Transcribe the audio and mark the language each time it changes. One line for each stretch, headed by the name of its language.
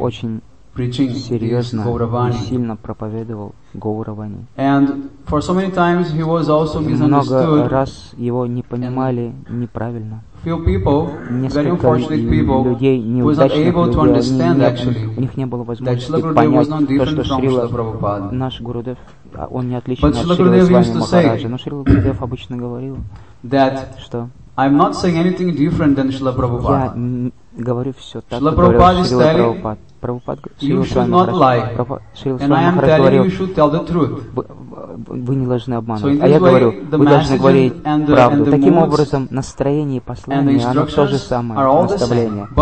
Russian: очень серьезно и сильно проповедовал Гауравани.
English: So
Russian: много раз его не понимали неправильно.
English: Few people, very unfortunate people, who was not able to understand actually that Srila Gurudev was not different from Srila Prabhupada. But Srila Gurudev used to say that I'm not saying anything different than Srila Prabhupada. Srila Prabhupada is telling you should not lie, and I am telling you should tell the truth.
Russian: Вы не должны обманывать. А я говорю, вы должны говорить правду. Таким образом, настроение и послание, оно то же самое, наставление.